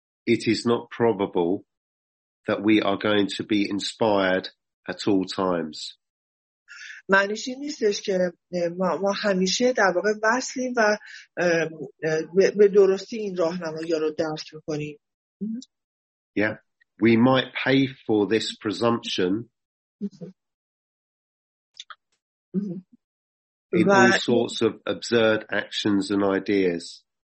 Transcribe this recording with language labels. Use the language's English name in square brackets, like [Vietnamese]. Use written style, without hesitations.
[English] It is not probable that we are going to be inspired at all times. [Persian] معنیش این نیستش که ما همیشه در واقع وصلیم و به درستی این راهنمایی رو درک می‌کنیم. [English] Yeah, we might pay for this presumption in all sorts of absurd actions and ideas.